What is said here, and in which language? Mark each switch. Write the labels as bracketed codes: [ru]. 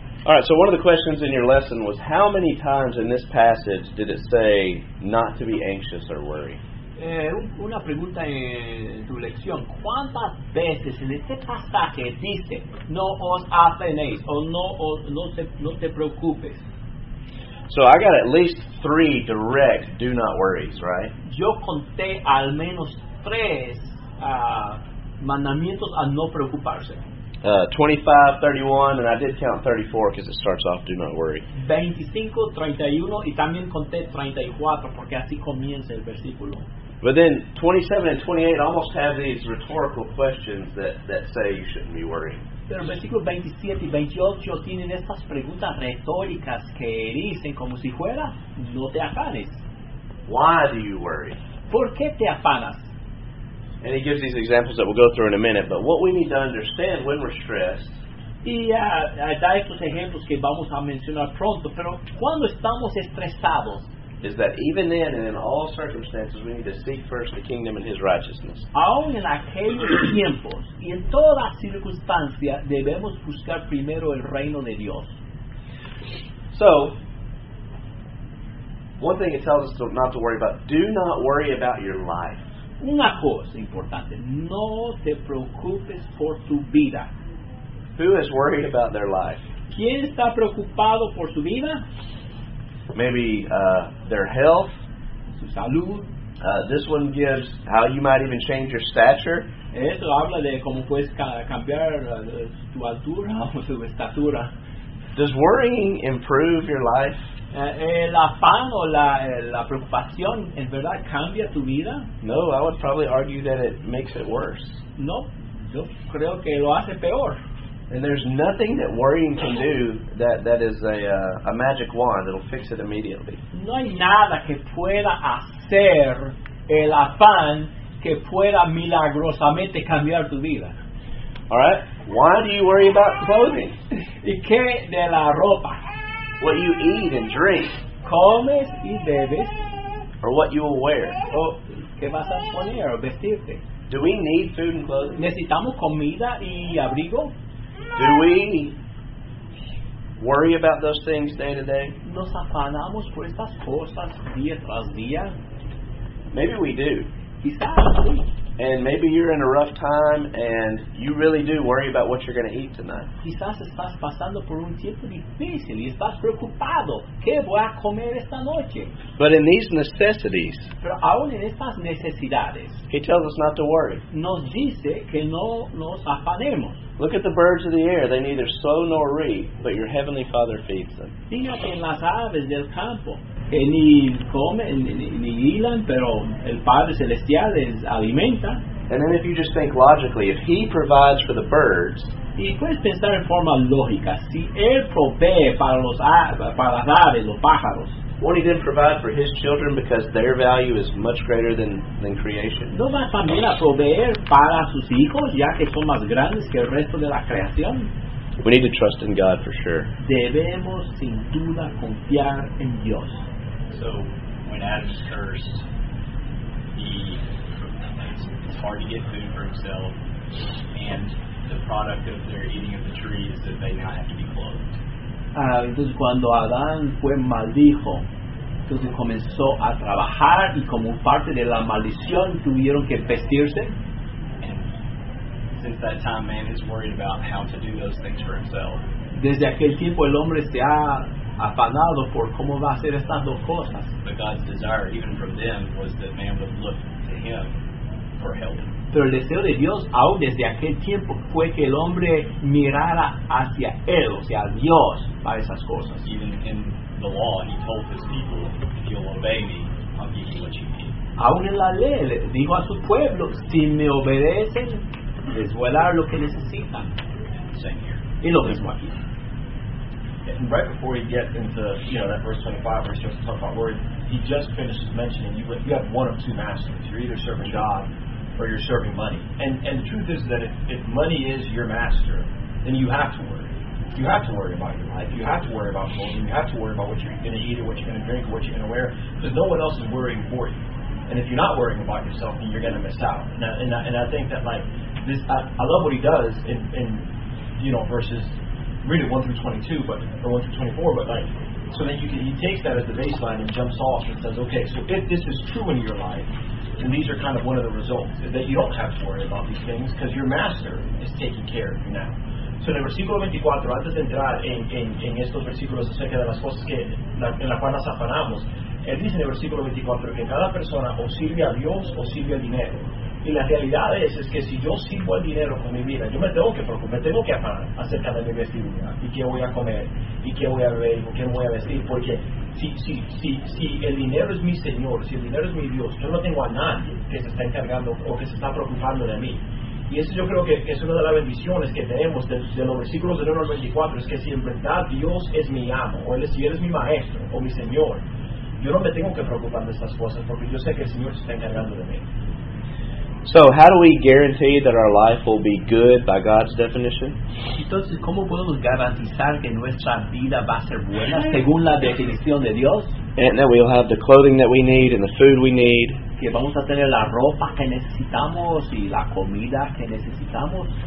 [en] All right, so one of the questions in your lesson was, how many times in this passage did it say not to be anxious or worry? [es] Una pregunta en tu lección. ¿Cuántas veces en este pasaje dice no os afanéis o no te preocupes? [en] So I got at least three direct do not worries, right? [es] Yo conté al menos tres mandamientos a no preocuparse. [en] 25, 31, and I did count 34 because it starts off, do not worry. [es] 25, 31, y también conté 34 porque así comienza el versículo. [en] But then 27 and 28 almost have these rhetorical questions that say you shouldn't be worrying. [es] Pero versículos 27 y 28 tienen estas preguntas retóricas que dicen como si fuera, no te afanes. [en] Why do you worry? [es] ¿Por qué te afanas? [en] And he gives these examples that we'll go through in a minute. But what we need to understand when we're stressed. [es] Da estos ejemplos que vamos a mencionar pronto. Pero cuando estamos estresados. [en] Is that even then and in all circumstances we need to seek first the kingdom and his righteousness. [es] Aún en aquellos tiempos y en toda circunstancia debemos buscar primero el reino de Dios. [en] So. One thing it tells us not to worry about. Do not worry about your life. [es] Una cosa importante, no te preocupes por tu vida. [en] Who is worried about their life? [es] ¿Quién está preocupado por su vida? [en] Maybe their health. [es] Su salud. [en] This one gives how you might even change your stature. [es] Esto habla de cómo puedes cambiar tu altura o tu estatura. [en] Does worrying improve your life? [es] El afán o la preocupación en verdad cambia tu vida? [en] No, I would probably argue that it makes it worse. [es] No, yo creo que lo hace peor. [en] And there's nothing that worrying can do that is a magic wand that'll fix it immediately. [es] No hay nada que pueda hacer el afán que pueda milagrosamente cambiar tu vida. [en] All right. Why do you worry about clothing? [es] ¿Y qué de la ropa? [en] What you eat and drink. [es] Comes y bebes. [en] Or what you will wear. [es] O qué vas a poner o vestirte. [en] Do we need food and clothing? [es] ¿Necesitamos comida y abrigo? [en] Do we worry about those things day to day? [es] ¿Nos afanamos por estas cosas día tras día? [en] Maybe we do. [es] Quizás sí. [en] And maybe you're in a rough time and you really do worry about what you're going to eat tonight. [es] Quizás estás pasando por un tiempo difícil y estás preocupado. ¿Qué voy a comer esta noche? [en] But in these necessities, [es] pero aún en estas necesidades, [en] he tells us not to worry. [es] Nos dice que no nos afanemos. [en] Look at the birds of the air. They neither sow nor reap, but your heavenly Father feeds them. [es] Fíjate en las aves del campo. Que ni comen ni hilan, pero el Padre Celestial les alimenta. [en] And then if you just think logically, if he provides for the birds, [es] y puedes pensar en forma lógica, si él provee para las aves, los pájaros, [en] won't he then provide for his children because their value is much greater than creation? [es] ¿No va también a proveer para sus hijos ya que son más grandes que el resto de la creación? [en] We need to trust in God for sure. [es] Debemos sin duda confiar en Dios. [en] So, when Adam's cursed, it's hard to get food for himself, and the product of their eating of the tree is that they now have to be clothed. [es] Entonces cuando Adán fue maldijo, entonces comenzó a trabajar y como parte de la maldición tuvieron que vestirse. [en] Since that time, man is worried about how to do those things for himself. [es] Desde aquel tiempo, el hombre se ha afanado por cómo va a hacer estas dos cosas. [en] But God's desire, even from them, was that man would look to him for help. [es] Pero el deseo de Dios, aún desde aquel tiempo, fue que el hombre mirara hacia él, o sea, a Dios, para esas cosas. [en] Even in the law, he told his people, if you'll obey me, I'll give you what you need. [es] Aún en la ley, le dijo a su pueblo, si me obedecen, les voy a dar lo que necesitan. [en] Same here. [es] Y lo mismo aquí. [en] Right before he gets into, you know, that verse 25, where he starts to talk about worry, he just finishes mentioning, you have one of two masters. You're either serving God or you're serving money. And the truth is that if money is your master, then you have to worry. You have to worry about your life. You have to worry about clothing. You have to worry about what you're going to eat or what you're going to drink or what you're going to wear, because no one else is worrying for you. And if you're not worrying about yourself, then you're going to miss out. And I think that, like, this, I love what he does in you know, verses, read it 1 through 22, but or 1 through 24, but, like, so then you can, he takes that as the baseline and jumps off and says, okay, so if this is true in your life, then these are kind of one of the results, is that you don't have to worry about these things because your master is taking care of you now. [es] So en el versículo 24, antes de entrar en estos versículos acerca de las cosas que, en las cuales nos afanamos, él dice en el versículo 24 que cada persona o sirve a Dios o sirve al dinero. Y la realidad es que si yo sirvo al dinero con mi vida, yo me tengo que preocupar, me tengo que afanar acerca de mi vestidura, y qué voy a comer, y qué voy a beber, y qué voy a vestir, porque si el dinero es mi Señor, si el dinero es mi Dios, yo no tengo a nadie que se está encargando o que se está preocupando de mí. Y eso yo creo que es una de las bendiciones que tenemos de los versículos del 1 al 24, es que si en verdad Dios es mi amo, o él, si él es mi maestro, o mi Señor, yo no me tengo que preocupar de estas cosas, porque yo sé que el Señor se está encargando de mí. [en] So how do we guarantee that our life will be good by God's definition? [es] Entonces, ¿cómo podemos garantizar que nuestra vida va a ser buena según la definición de Dios? [en] And that we'll have the clothing that we need and the food we need. [es] Que vamos a tener la ropa que necesitamos y la comida que necesitamos.